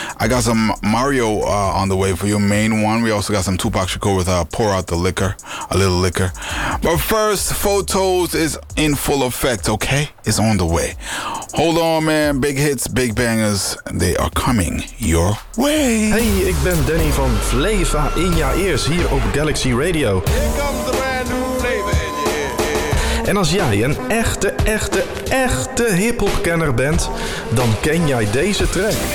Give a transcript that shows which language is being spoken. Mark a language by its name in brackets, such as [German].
[English] I got some Mario on the way for your main one. We also got some Tupac Shakur with Pour Out the Liquor, a little liquor. But first, Photos is in full effect, okay? It's on the way. Hold on, man. Big hits, big bangers, they are coming your way. [Dutch] Hey, ik ben Danny van Flava in jouw ears hier op Galaxy Radio. [English] Here comes the brand new flavor in your ear. [Dutch] En als jij een echte hip-hop kenner bent, dan ken jij deze track.